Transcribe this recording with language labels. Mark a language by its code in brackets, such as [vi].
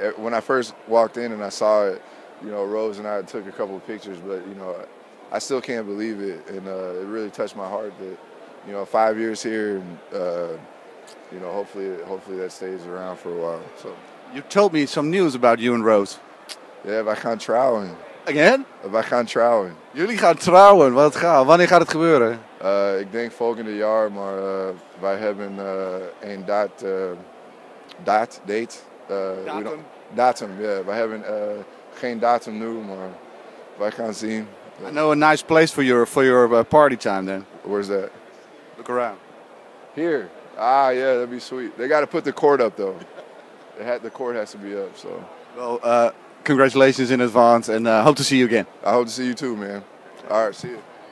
[en] When I first walked in and I saw it, you know, Rose and I took a couple of pictures, but, you know, I still can't believe it. And it really touched my heart that, you know, 5 years here, and, you know, hopefully that stays around for a while. So you told me some news about you and Rose. [nl] Yeah, wij gaan trouwen. [en] Again? [nl] Wij gaan trouwen. Jullie gaan trouwen. Wat gaat? Wanneer gaat het gebeuren? Ik denk volgende jaar, maar wij hebben een dat. Datum, [en] yeah. We haven't [nl] geen datum nu, maar wij gaan zien. [en] I know a nice place for your party time then. Where's that? Look around. Here. Ah, yeah, that'd be sweet. They got to put the court up though. The court has to be up. So. Well, congratulations in advance, and hope to see you again. I hope to see you too, man. All right, see you.